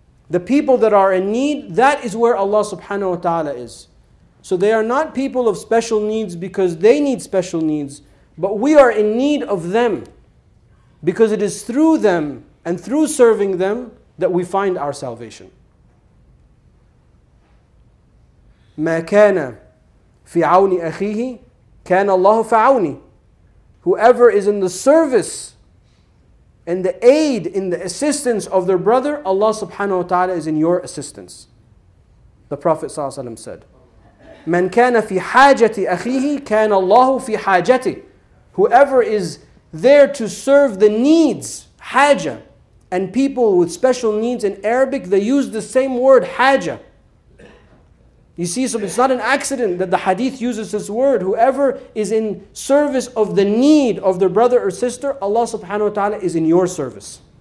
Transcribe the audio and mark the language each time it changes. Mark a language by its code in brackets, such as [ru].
[en] The people that are in need, that is where Allah subhanahu wa ta'ala is. So they are not people of special needs because they need special needs, but we are in need of them. Because it is through them and through serving them that we find our salvation. [ar] ما كان في عون أخيه كان الله فعوني. [en] Whoever is in the service and the aid in the assistance of their brother, Allah subhanahu wa ta'ala is in your assistance. The Prophet sallallahu alaihi wasallam said, [ar] من كان في حاجة أخيه كان الله في حاجته. [en] Whoever is there to serve the needs, haja, and people with special needs in Arabic, they use the same word, haja. You see, so it's not an accident that the hadith uses this word. Whoever is in service of the need of their brother or sister, Allah subhanahu wa ta'ala is in your service.